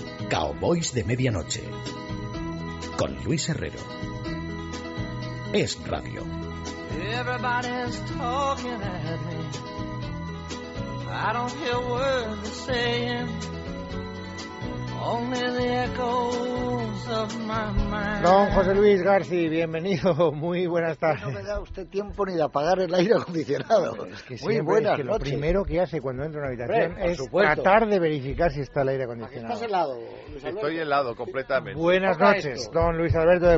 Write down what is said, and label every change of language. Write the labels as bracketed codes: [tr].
[es] Cowboys de Medianoche, con Luis Herrero. Es radio. [en] Everybody's talking at me. I don't hear words they're saying. Only the echoes of my mind. [es] Don José Luis García, bienvenido. Muy buenas tardes. No me da usted tiempo ni de apagar el aire acondicionado. Es que muy buenas noches. Lo primero que hace cuando entra en una habitación es tratar de verificar si está el aire acondicionado. ¿Estás helado, Luis Alberto? Estoy helado completamente. Buenas noches, esto. Don Luis Alberto de